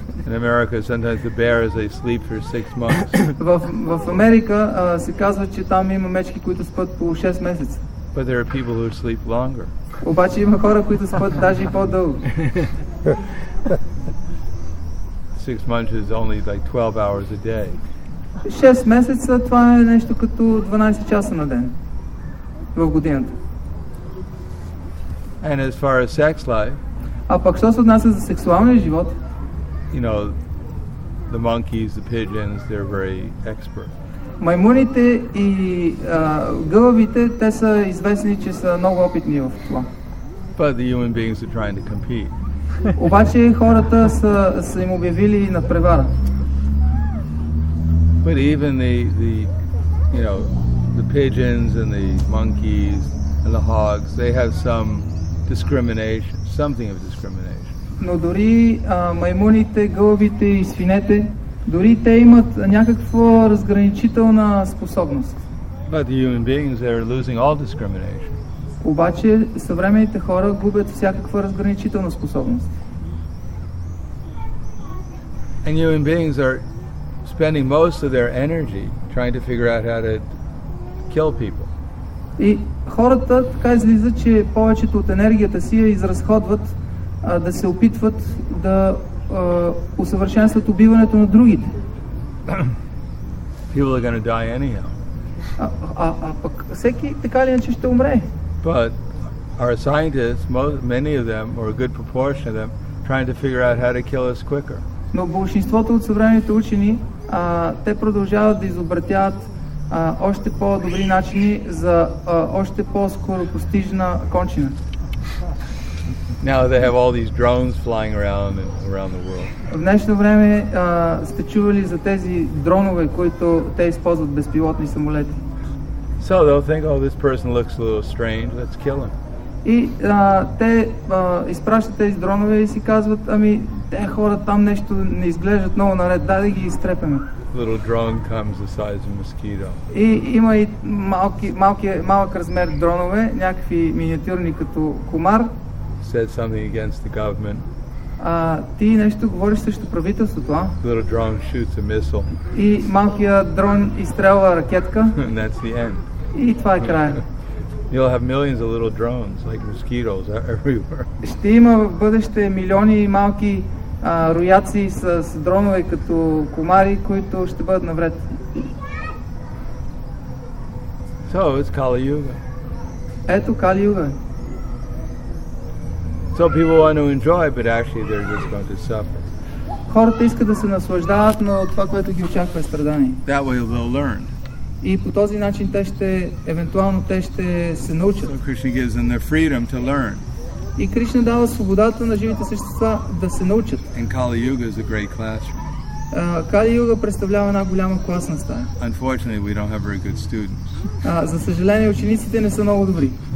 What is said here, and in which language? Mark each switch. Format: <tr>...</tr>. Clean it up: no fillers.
<en>In America, sometimes the bears, they sleep for 6 months.</en> <bg>В Америка се казва, че там има мечки, които спят по 6 месеца.</bg> <en>But there are people who sleep longer.</en> <bg>Обаче има хора, които спят даже и по-дълго.</bg> <en>6 months is only like 12 hours a day.</en> <bg>6 месеца, това е нещо като 12 часа на ден в годината.</bg> <en>And as far as sex life,</en> <bg>а пък що се отнася за сексуалния живот?</bg> <en>You know, the monkeys, the pigeons, they're very expert.</en> <bg>Маймуните и гълъбите, те са известни, че са много опитни в това.</bg> <en>But the human beings are trying to compete.</en> <bg>Обаче хората са им обявили надпревара.</bg> <en>But even the you know, the pigeons and the monkeys and the hogs, they have some discrimination, something of discrimination.</en> <bg>Но дори маймуните, гълъбите и свинете, дори те имат някаква разграничителна способност.</bg> <en>But the human beings are losing all discrimination.</en> <bg>Обаче съвременните хора губят всякаква разграничителна способност.</bg> <en>And human beings are spending most of their energy trying to figure out how to kill people.</en> <bg>И хората така излиза, че повечето от енергията си я изразходват да се опитват да усъвършенстват убиването на другите.</bg> <en>People are going to die anyhow.</en> <bg>Пък всеки така ли иначе ще умре.</bg> <en>But our scientists, many of them, or a good proportion of them, trying to figure out how to kill us quicker.</en> <bg>Но большинството от съвременните учени, те продължават да изобретяват още по-добри начини за още по-скоро постижна кончина.</bg> <en>Now they have all these drones flying around the world.</en> <bg>В днешно време сте чували за тези дронове, които те използват, безпилотни самолети.</bg> <en>So they'll think, oh, this person looks a little strange, let's kill him.</en> <bg>И те изпращат тези дронове и си казват, ами, те хора там нещо не изглеждат много наред, дай да ги изтрепеме.</bg> <en>Little drone comes the size of a mosquito.</en> <bg>И има и малък размер дронове, някакви миниатюрни като комар.</bg> <en>Said something against the government.</en> <bg>Ти нещо говориш срещу правителството, а?</bg> <en>Little drone shoots a missile.</en> <bg>И малкият дрон изстрелва ракетка.</bg> <en>And that's the end.</en> <bg>И това е края.</bg> <en>You'll have millions of little drones, like mosquitoes, everywhere.</en> <bg>Ще има в бъдеще милиони малки рояци с дронове като комари, които ще бъдат навред.</bg> <en>So, it's Kali Yuga.</en> <bg>Ето Kali Yuga.</bg> <en>So people want to enjoy, but actually they're just going to suffer.</en> <bg>Хората искат да се наслаждават, но това, което ги очаква, е страдание.</bg> <en>That way they'll learn.</en> <bg>И по този начин евентуално те ще се научат.</bg> <en>So Krishna gives them the freedom to learn.</en> <bg>И Кришна дава свободата на живите същества да се научат.</bg> <en>And Kali Yuga is a great classroom.</en> <bg>Кали Юга представлява една голяма класна стая.</bg> <en>Unfortunately, we don't have very good students.</en> <bg>За съжаление, учениците не са много добри.</bg>